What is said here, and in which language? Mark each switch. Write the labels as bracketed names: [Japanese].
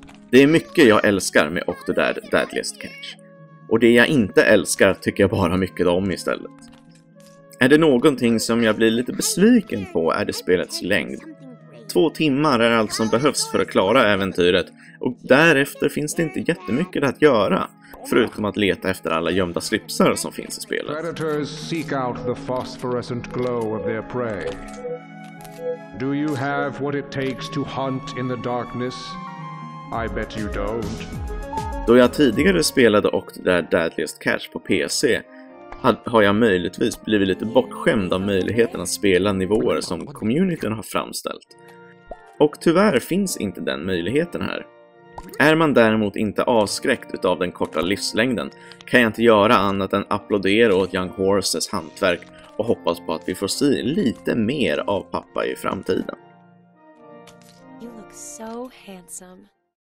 [Swedish] Det är mycket jag älskar med Octodad Deadliest Catch. Och det jag inte älskar tycker jag bara mycket om istället. Är det någonting som jag blir lite besviken på är det spelets längd. 2 timmar är allt som behövs för att klara äventyret och därefter finns det inte jättemycket att göra förutom att leta efter alla gömda slipsar som finns i spelet. [English] Predators seek out the phosphorescent glow of their prey. Do you have what it takes to hunt in the darkness? I bet you don't. [Swedish] Då jag tidigare spelade Octodad Deadliest Catch på PC har jag möjligtvis blivit lite bortskämd av möjligheten att spela nivåer som communityn har framställt. Och tyvärr finns inte den möjligheten här. Är man däremot inte avskräckt utav den korta livslängden kan jag inte göra annat än applådera åt Young Horses hantverk och hoppas på att vi får se lite mer av pappa i framtiden. [English] You look so handsome.